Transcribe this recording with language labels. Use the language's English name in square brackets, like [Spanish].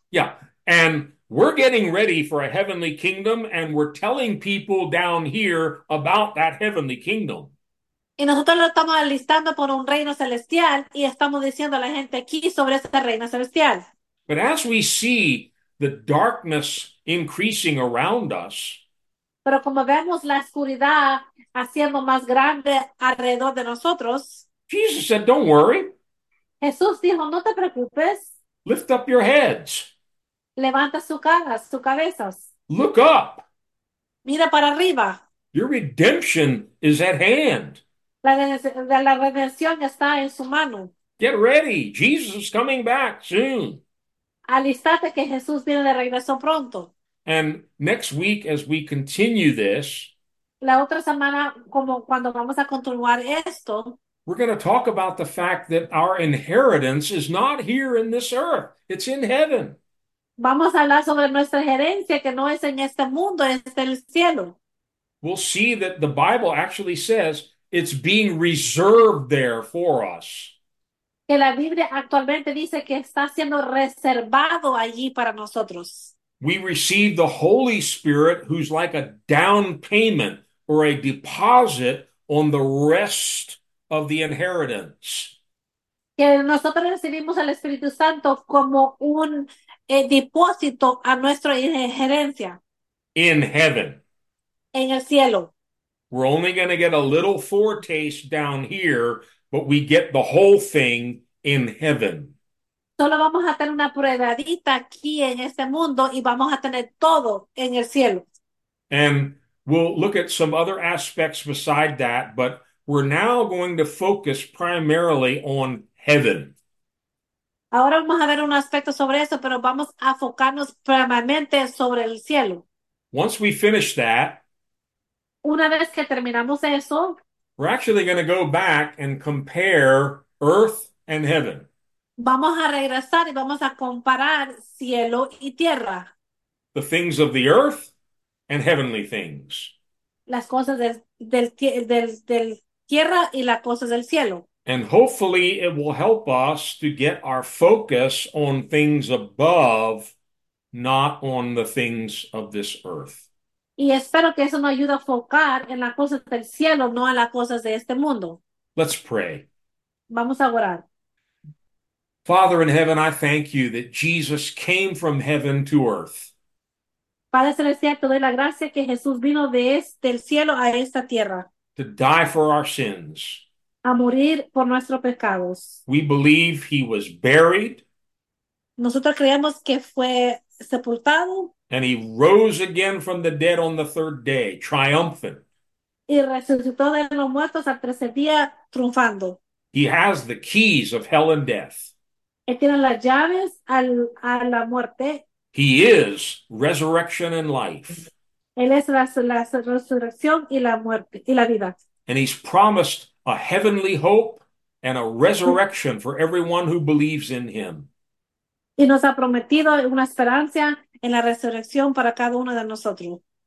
[English] Yeah, and we're getting ready for a heavenly kingdom, and we're telling people down here about that heavenly kingdom. [Spanish] Y nosotros lo estamos alistando por un reino celestial y estamos diciendo a la gente aquí sobre este reino celestial. [English] But as we see the darkness increasing around us, [Spanish] Pero como vemos la oscuridad haciendo más grande alrededor de nosotros, [English] Jesus said, "Don't worry. [Spanish] Jesús dijo, no te preocupes, [English] Lift up your heads. [Spanish] levanta su cabezas, [English] Look up. [Spanish] mira para arriba. [English] Your redemption is at hand. [Spanish] La redención está en su mano. [English] Get ready. Jesus is coming back soon." [Spanish] Alístate que Jesús viene de regreso pronto. [English] And next week, as we continue this, [Spanish] La otra semana, como cuando vamos a continuar esto, [English] we're going to talk about the fact that our inheritance is not here in this earth. It's in heaven. [Spanish] Vamos a hablar sobre nuestra herencia que no es en este mundo, es en el cielo. [English] We'll see that the Bible actually says it's being reserved there for us. [Spanish] Que la Biblia actualmente dice que está siendo reservado allí para nosotros. [English] We receive the Holy Spirit, who's like a down payment or a deposit on the rest of the inheritance. [Spanish] Que nosotros recibimos el Espíritu Santo como un depósito a nuestra herencia [English] In heaven. [Spanish] en el cielo. [English] We're only going to get a little foretaste down here, but we get the whole thing in heaven. [Spanish] Solo vamos a tener una pruebadita aquí en este mundo y vamos a tener todo en el cielo. [English] And we'll look at some other aspects beside that, but we're now going to focus primarily on heaven. [Spanish] Ahora vamos a ver un aspecto sobre eso, pero vamos a enfocarnos primeramente sobre el cielo. [English] Once we finish that, [Spanish] Una vez que terminamos eso, [English] we're actually going to go back and compare earth and heaven. [Spanish] vamos a regresar y vamos a comparar cielo y tierra. [English] The things of the earth and heavenly things. [Spanish] Las cosas del tierra y las cosas del cielo. [English] And hopefully it will help us to get our focus on things above, not on the things of this earth. [Spanish] Y espero que eso nos ayude a enfocar en las cosas del cielo, no en las cosas de este mundo. [English] Let's pray. [Spanish] Vamos a orar. [English] Father in heaven, I thank you that Jesus came from heaven to earth. [Spanish] Padre Celestial, te doy la gracia que Jesús vino del cielo a esta tierra [English] To die for our sins. [Spanish] a morir por nuestros pecados. [English] We believe he was buried. [Spanish] Nosotros creemos que fue sepultado [English] And he rose again from the dead on the third day, triumphant. [Spanish] y resucitó de los muertos al tercer día, triunfando. [English] He has the keys of hell and death. [Spanish] Él tiene las llaves a la muerte. [English] He is resurrection and life. [Spanish] Él es la resurrección y la muerte y la vida. [English] And he's promised a heavenly hope and a resurrection for everyone who believes in him. [Spanish] Y nos ha prometido una esperanza en la resurrección para cada uno de nosotros.